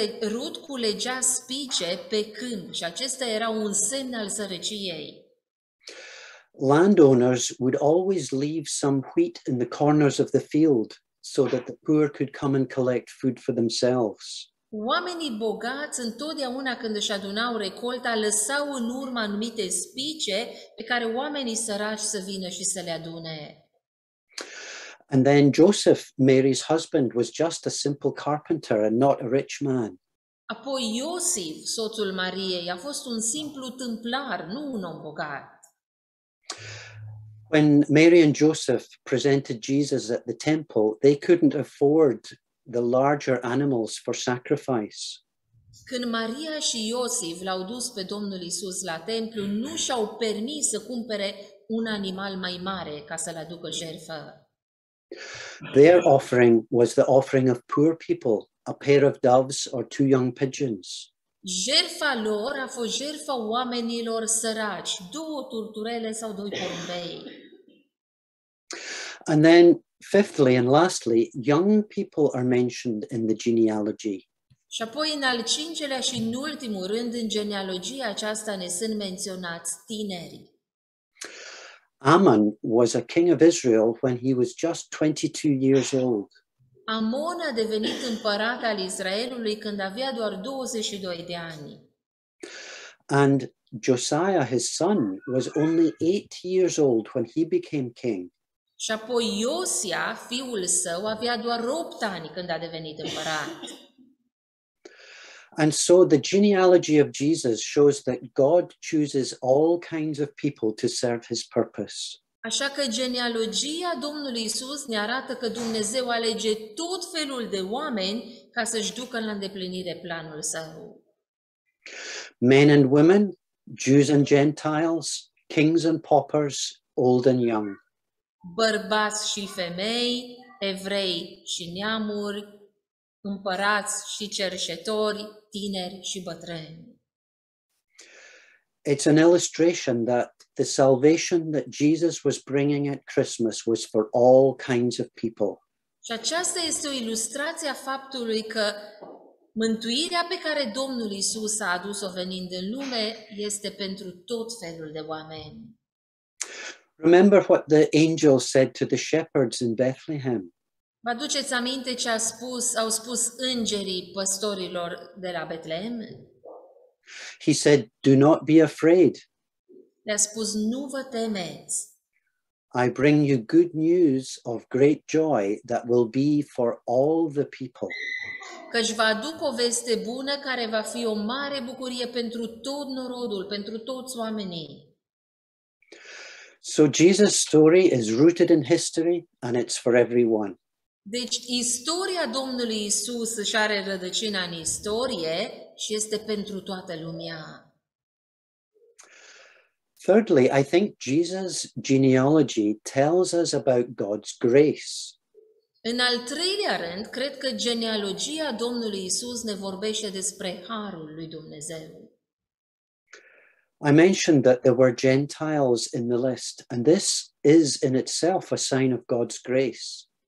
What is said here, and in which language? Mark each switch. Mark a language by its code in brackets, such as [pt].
[ro] Ruth culegea spice pe câmp, și acesta era un semn al sărăciei. [en] landowners would always leave some wheat in the corners of the field so that the poor could come and collect food for themselves. [ro] Oamenii bogați întotdeauna când își adunau recolta lăsau în urmă anumite spice pe care oamenii săraci să vină și să le adune. [en] And then Joseph, Mary's husband, was just a simple carpenter and not a rich man. [ro] Apoi Iosif, soțul Mariei, a fost un simplu tâmplar, nu un om bogat. [en] When Mary and Joseph presented Jesus at the temple, they couldn't afford the larger animals for sacrifice. [ro] Când Maria și Iosif l-au dus pe Domnul Iisus la templu, nu și-au permis să cumpere un animal mai mare ca să-l aducă jertfă. [en] Their offering was the offering of poor people, a pair of doves or two young pigeons. [ro] Jertfa lor a fost jertfa oamenilor săraci, două turturele sau doi porumbei. [en] And then, fifthly and lastly, young people are mentioned in the genealogy. [ro] Și apoi, în al cincelea și în ultimul rând, în genealogia aceasta ne sunt menționați tineri. [en] Amon was a king of Israel when he was just 22 years old. [ro] Amon a devenit împărat al Israelului când avea doar 22 de ani. [en] And Josiah, his son, was only 8 years old when he became king. [ro] Și apoi Iosia, fiul său, avea doar 8 ani când a devenit împărat. [en] And so the genealogy of Jesus shows that God chooses all kinds of people to serve his purpose. [ro] Așa că genealogia Domnului Iisus ne arată că Dumnezeu alege tot felul de oameni ca să-și ducă la îndeplinire planul său. [en] Men and women, Jews and Gentiles, kings and paupers, old and young. [ro] Bărbați și femei, evrei și neamuri, împărați și cerșetori, tineri și bătrâni. [en] It's an illustration that the salvation that Jesus was bringing at Christmas was for all kinds of people. [ro] Și aceasta este o ilustrație a faptului că mântuirea pe care Domnul Iisus a adus-o venind în lume este pentru tot felul de oameni. [en] Remember what the angel said to the shepherds in Bethlehem. [ro] Vă aduceți aminte ce au spus îngerii păstorilor de la Betlehem? [en] He said, "Do not be afraid." [ro] Le-a spus, "Nu vă temeți." [en] I bring you good news of great joy that will be for all the people. [ro] Căci vă aduc o veste bună care va fi o mare bucurie pentru tot norodul, pentru toți oamenii. [en] So Jesus' story is rooted in history and it's for everyone. [ro] Deci istoria Domnului Iisus își are rădăcina în istorie și este pentru toată lumea. [en] Thirdly, I think Jesus' genealogy tells us about God's grace. [ro] În al treilea rând, cred că genealogia Domnului Iisus ne vorbește despre harul lui Dumnezeu. [en] I mentioned that there were Gentiles in the list, and this is in itself a sign of God's grace.